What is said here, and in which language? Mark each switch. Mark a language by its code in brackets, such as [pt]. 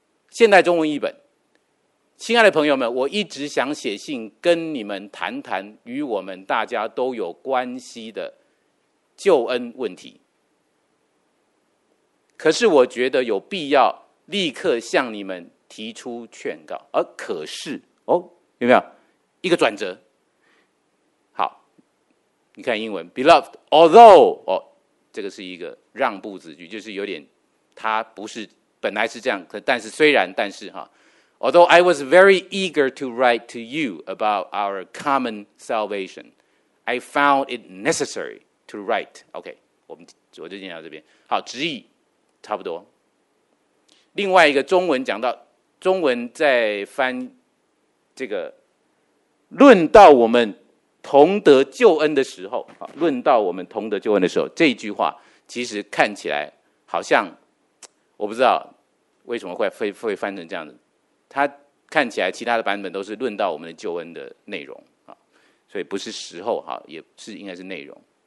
[zh] 现代中文译本，亲爱的朋友们，我一直想写信跟你们谈谈与我们大家都有关系的救恩问题，可是我觉得有必要立刻向你们提出劝告。而可是哦，有没有一个转折？你看英文 [en] ，beloved， although， [zh] 哦，这个是一个让步子句，就是有点，他不是本来是这样，但是 [en] although I was very eager to write to you about our common salvation， I found it necessary to write。 [zh] OK， 我就念到这边。好，直译差不多。另外一个中文讲到，中文在翻这个，论到我们同得救恩的时候，论到我们同得救恩的时候，这句话其实看起来好像，我不知道为什么 会翻成这样子，它看起来其他的版本都是论到我们的救恩的内容，所以不是时候，也是应该是内容。